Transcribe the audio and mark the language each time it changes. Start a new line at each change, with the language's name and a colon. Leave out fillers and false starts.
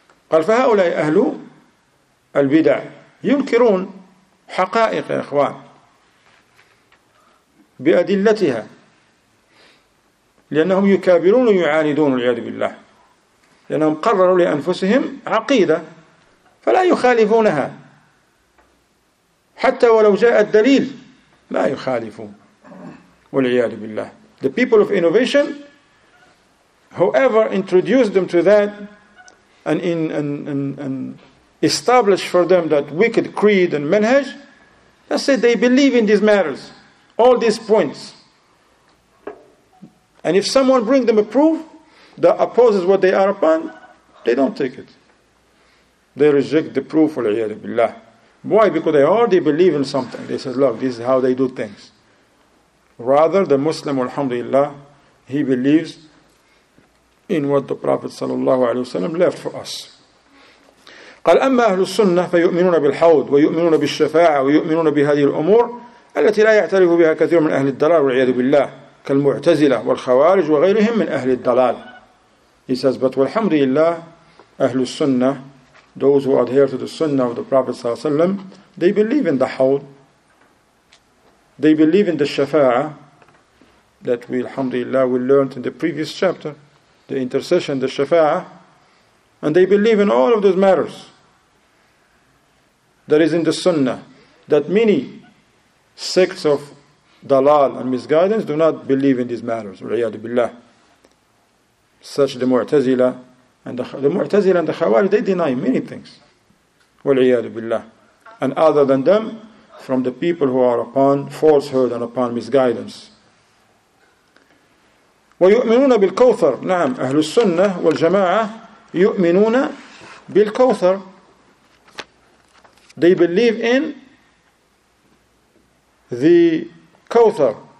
Arabic: قال فهؤلاء أهل البدع ينكرون حقائق يا إخوان بأدلتها لأنهم يكابرون ويعاندون والعياذ بالله لأنهم قرروا لأنفسهم عقيدة فلا يخالفونها حتى ولو جاء الدليل لا يخالفون والعياذ بالله.
English: The people of innovation, whoever introduced them to that and establish for them that wicked creed and manhaj, let's say they believe in these matters, all these points. And if someone brings them a proof that opposes what they are upon, they don't take it. They reject the proof,
Arabic: وَالْعِيَادِ بِاللَّهِ.
English: Why? Because they already believe in something. They said, look, this is how they do things. Rather, the Muslim, alhamdulillah, he believes in what the Prophet
Arabic: sallallahu alayhi wasallam
English: left for us.
Arabic: قال أما أهل السنة فيؤمنون بالحوض ويؤمنون بالشفاعة ويؤمنون بهذه الأمور التي لا يعترف بها كثير من أهل الضلال والعياذ بالله كالمعتزلة والخوارج وغيرهم من أهل الضلال.
English: He says, but
Arabic: والحمد لله أهل السنة,
English: those who adhere to the sunnah of the Prophet
Arabic: صلى الله عليه وسلم,
English: they believe in the حوض, they believe in the شفاعة that we,
Arabic: الحمد لله,
English: we learned in the previous chapter, the intercession, the شفاعة. And they believe in all of those matters that is in the sunnah that many sects of dalal and misguidance do not believe in these matters,
Arabic: وَالْعِيَادِ بِاللَّهِ.
English: Such the Mu'tazila and the Khawarij, they deny many things,
Arabic: وَالْعِيَادِ بِاللَّهِ.
English: And other than them, from the people who are upon falsehood and upon misguidance.
Arabic: وَيُؤْمِنُونَ بِالْكَوْثَرِ. نعم, أهل السنة والجماعة يؤمنون بالكوثر.
English: They believe in the كوثر.